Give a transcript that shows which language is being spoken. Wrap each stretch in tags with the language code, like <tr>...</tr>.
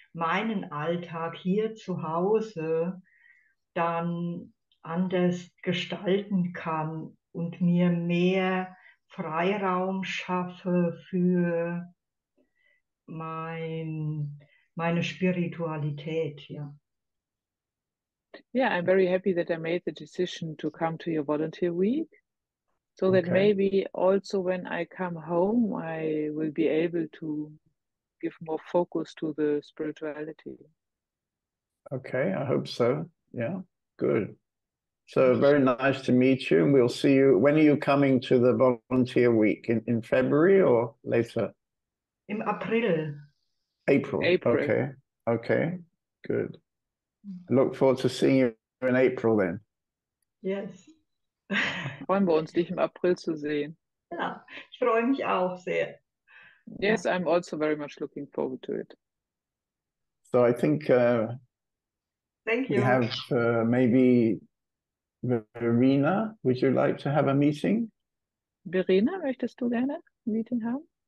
<de>meinen Alltag hier zu Hause dann anders gestalten kann und mir mehr Freiraum schaffe für meine Spiritualität, ja.</de> <en>Yeah, I'm very happy that I made the decision to come to your volunteer week. So that Okay. maybe also when I come home, I will be able to give more focus to the spirituality. Okay, I hope so. Yeah, good. So Thank you so very much. nice to meet you, and we'll see you. When are you coming to the volunteer week? In February or later?</en> <de>Im April.</de> <en>April. April. Okay, good. Look forward to seeing you in April then. Yes.</en> <de>Freuen wir uns, dich im April zu sehen. Ja, ich freue mich auch sehr.</de> <en>Yes, I'm also very much looking forward to it. So I think Thank we you. have maybe Verena. Would you like to have a meeting?</en> <de>Verena, möchtest du gerne ein Meeting haben?</de>